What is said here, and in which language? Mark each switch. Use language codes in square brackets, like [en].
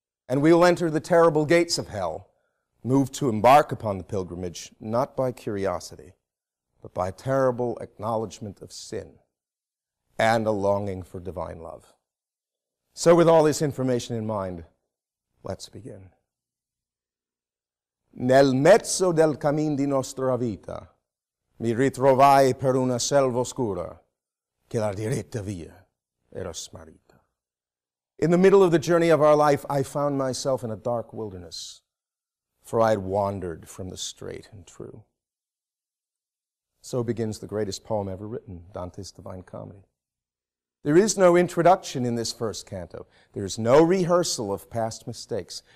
[en] And we will enter the terrible gates of hell, moved to embark upon the pilgrimage, not by curiosity, but by a terrible acknowledgement of sin and a longing for divine love. So with all this information in mind, let's begin. [it] Nel mezzo del cammin di nostra vita mi ritrovai per una selva oscura che la diretta via era smarrita. [en] In the middle of the journey of our life, I found myself in a dark wilderness, for I had wandered from the straight and true. So begins the greatest poem ever written, Dante's Divine Comedy. There is no introduction in this first canto. There is no rehearsal of past mistakes.